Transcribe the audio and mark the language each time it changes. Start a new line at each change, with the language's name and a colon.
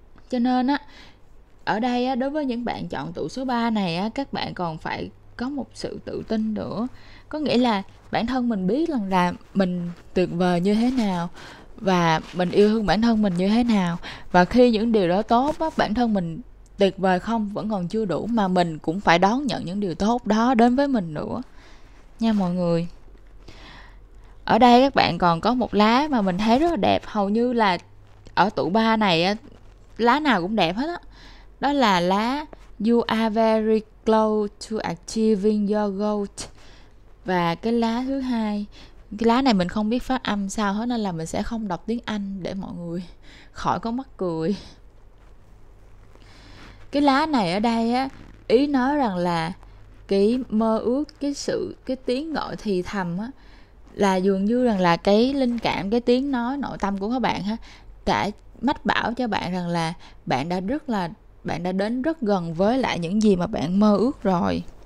Vietnamese: Cho nên á ở đây á, đối với những bạn chọn tụ số 3 này á, các bạn còn phải có một sự tự tin nữa, có nghĩa là bản thân mình biết rằng là mình tuyệt vời như thế nào và mình yêu thương bản thân mình như thế nào, và khi những điều đó tốt á, bản thân mình tuyệt vời không vẫn còn chưa đủ mà mình cũng phải đón nhận những điều tốt đó đến với mình nữa nha mọi người. Ở đây các bạn còn có một lá mà mình thấy rất là đẹp, hầu như là ở tụ 3 này á, lá nào cũng đẹp hết á. Đó là lá
English: You are very close to achieving your goal.
Vietnamese: Và cái lá thứ hai, cái lá này mình không biết phát âm sao hết nên là mình sẽ không đọc tiếng Anh để mọi người khỏi có mắc cười. Cái lá này ở đây á ý nói rằng là cái mơ ước, cái sự cái tiếng gọi thì thầm á là dường như rằng là cái linh cảm, cái tiếng nói nội tâm của các bạn ha đã mách bảo cho bạn rằng là bạn đã đến rất gần với lại những gì mà bạn mơ ước rồi.